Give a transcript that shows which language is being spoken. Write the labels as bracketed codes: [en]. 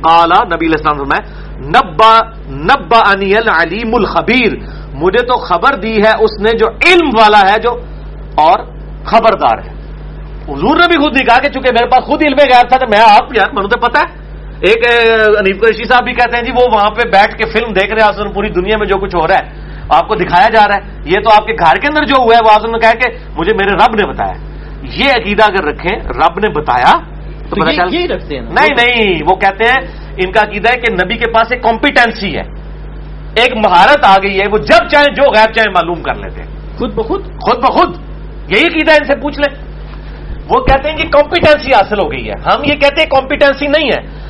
[ur] قال نبی علیہ السلام فرمائے, [ar] نبأني العلیم الخبیر, [ur] مجھے تو خبر دی ہے اس نے جو علم والا ہے جو اور خبردار ہے. حضور نے بھی خود نہیں کہا کہ چونکہ میرے پاس خود علم غیب تھا تو میں آپ یار مجھے تو پتا ہے. ایک انیف قریشی صاحب بھی کہتے ہیں جی وہ وہاں پہ بیٹھ کے فلم دیکھ رہے ہیں, پوری دنیا میں جو کچھ ہو رہا ہے آپ کو دکھایا جا رہا ہے, یہ تو آپ کے گھر کے اندر جو ہوا ہے وہ آزم نے کہا کہ مجھے میرے رب نے بتایا. یہ عقیدہ اگر رکھیں رب نے بتایا تو پتا چل رکھتے ہیں. نہیں نہیں, وہ کہتے ہیں ان کا عقیدہ ہے کہ نبی کے پاس ایک کمپیٹنسی ہے, ایک مہارت آ گئی ہے, وہ جب چاہے جو غیب چاہے معلوم کر لیتے ہیں خود بخود خود بخود. یہی عقیدہ ان سے پوچھ لیں. وہ کہتے ہیں کہ کمپیٹنسی حاصل ہو گئی ہے. ہم یہ کہتے ہیں کمپیٹنسی نہیں ہے.